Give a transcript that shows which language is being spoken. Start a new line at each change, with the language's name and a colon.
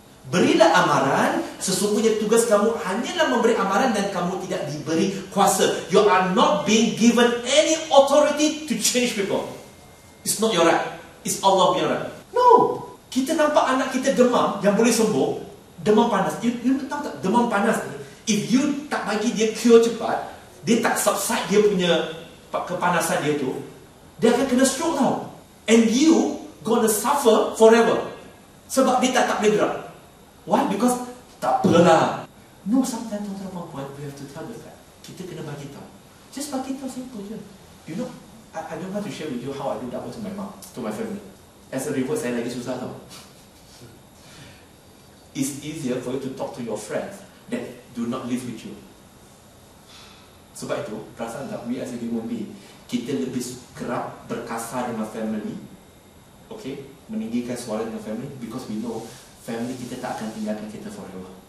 Malay: Berilah amaran, sesungguhnya tugas kamu hanyalah memberi amaran dan kamu tidak diberi kuasa.
English: You are not being given any authority to change people.
Malay: It's not your right. It's Allah punya right. No. Kita nampak anak kita demam yang boleh sembuh. Demam panas. You tahu tak? Demam panas ni. If you tak bagi dia cure cepat, dia tak subside dia punya kepanasan dia tu, dia akan kena stroke tau.
English: And you gonna suffer forever.
Malay: Sebab dia tak boleh gerak.
English: Why? Because tak apalah. No, sometimes tuan-tuan perempuan, we have to tell the fact. Kita kena bagi tahu.
Malay: Just bagi tahu simple je.
English: You know, I don't want to share with you how I do double to my mom, to my family.
Malay: As a reward, saya lagi susah tau.
English: It's easier for you to talk to your friends that do not live with you.
Malay: Sebab itu, perasaan tak, we as a human being, kita lebih kerap berkasar dengan family, okay, meninggikan suara dengan family, because we know family kita tak akan tinggalkan kita forever.